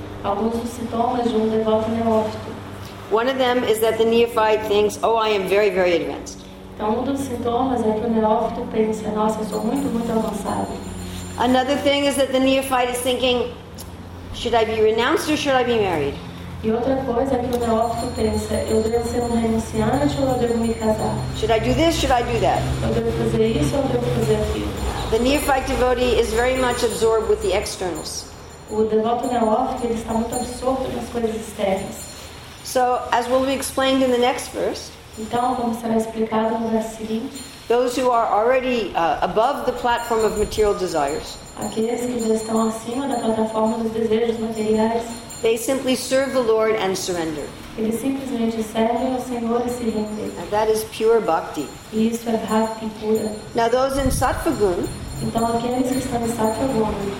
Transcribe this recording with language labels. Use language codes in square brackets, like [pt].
[en] One of them is that the neophyte thinks, oh, I am very, very advanced. Another thing is that the neophyte is thinking, should I be renounced or should I be married? [pt] E outra coisa é que o neófito pensa, eu devo ser um renunciante ou eu devo me casar? [en] Should I do this? Should I do that? [pt] Eu devo fazer isso ou eu devo fazer aquilo? [en] The neophyte devotee is very much absorbed with the externals. [pt] O devoto neófito está muito absorto nas coisas externas. [en] So, as will be explained in the next verse. [pt] Então, como será explicado no verso seguinte. [en] Those who are already above the platform of material desires. [pt] Aqueles que já estão acima da plataforma dos desejos materiais. [en] They simply serve the Lord and surrender. [pt] Eles simplesmente servem ao Senhor e se rendem. [en] And that is pure bhakti. [pt] E isso é bhakti pura. [en] Now those in sattva-gun, [pt] então aqueles que estão em sattva-gun,